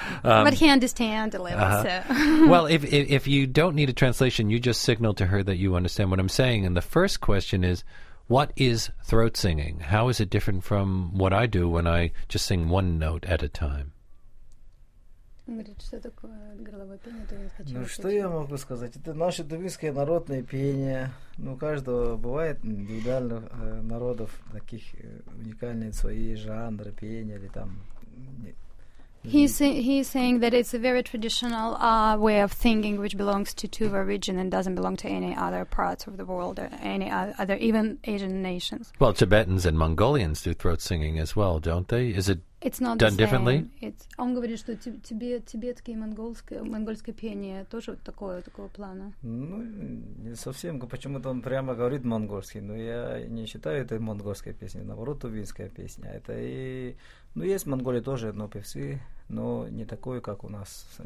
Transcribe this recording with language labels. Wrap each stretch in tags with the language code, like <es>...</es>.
<en>But hand is to hand a little. Uh-huh. So. Well, if you don't need a translation, you just signal to her that you understand what I'm saying. And the first question is, what is throat singing? How is it different from what I do when I just sing one note at a time?</en> <ru>Ну, что я могу сказать? Это наше тувинское народное пение. Ну, у каждого бывает индивидуально народов таких уникальные свои жанры пения или там.</ru> <en>He's saying that it's a very traditional way of singing which belongs to Tuva region and doesn't belong to any other parts of the world or any other, even Asian nations. Well, Tibetans and Mongolians do throat singing as well, don't they? Is it It's not done differently?</en> <ru>Он говорит, что тибетское и монгольское пение тоже такого плана. Ну, не совсем. Почему-то он прямо говорит монгольский. Но я не считаю это монгольская песня. Наоборот, тувинская песня. Это и... Ну, есть в Монголии тоже одно певцы, но не такое, как у нас.</ru>